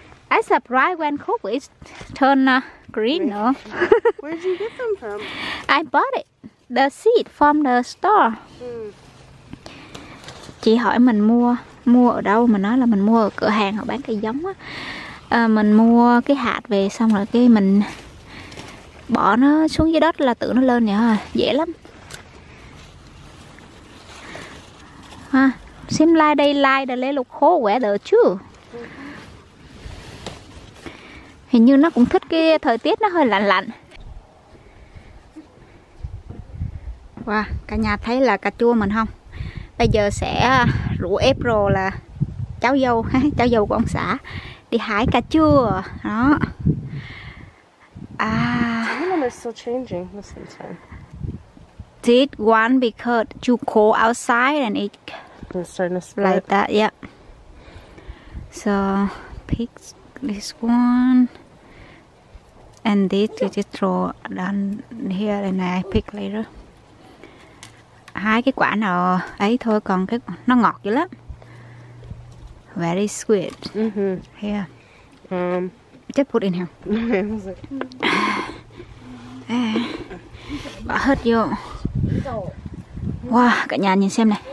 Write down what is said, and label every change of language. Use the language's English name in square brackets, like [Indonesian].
[English] I surprised when cooked, it turned green, no? Where did you get them from? I bought it, the seed from the store. Mm. [Vietnamese] Chị hỏi mình mua ở đâu, mình nói là mình mua ở cửa hàng họ bán cây giống á. Mình mua cái hạt về xong rồi cái mình bỏ nó xuống dưới đất là tự nó lên nhở, dễ lắm. Ha. [English] Seem like they like the little cold weather too. [Vietnamese] Hình như nó cũng thích cái thời tiết nó hơi lạnh lạnh. Wow, cả nhà thấy là cà chua mình không? Bây giờ sẽ rủ April là cháu dâu của ông xã đi hái cà chua đó. À. [English] The weather is still changing this time. Did one because too cold outside and it. It's starting to spread. Like that, yep. So, pick this one. And this, you just throw down here and I pick later. [Vietnamese] Hai cái quả nào ấy thôi, còn cái nó ngọt dữ lắm. [English] Very sweet. Mm-hmm. Here. Just put in here. [Vietnamese] Bỏ hết vô. Wow, cả nhà nhìn xem này.